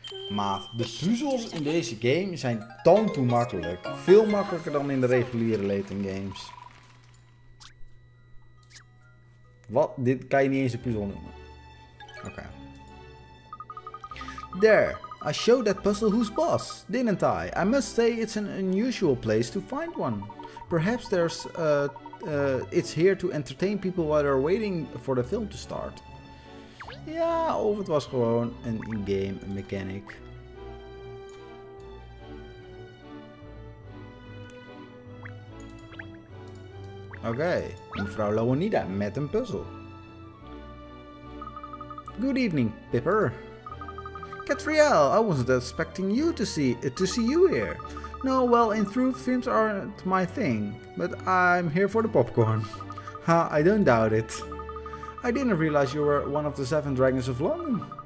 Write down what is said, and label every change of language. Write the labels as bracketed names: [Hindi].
[Dutch] Maat, de puzzels in deze game zijn tantoe makkelijk. Veel makkelijker dan in de reguliere Layton games. Wat? Dit kan je niet eens een puzzel noemen. Oké. Okay. [English] There. I showed that puzzle who's boss, didn't I? I must say it's an unusual place to find one. Perhaps there's it's here to entertain people while they're waiting for the film to start. [Dutch] Ja, of het was gewoon een in-game mechanic. Okay, mevrouw Leonida met een puzzel. [English] Good evening, Pipper. Catrielle, I wasn't expecting you to see you here. No, well, in truth, films aren't my thing, but I'm here for the popcorn. Ha, I don't doubt it. I didn't realize you were one of the Seven Dragons of London.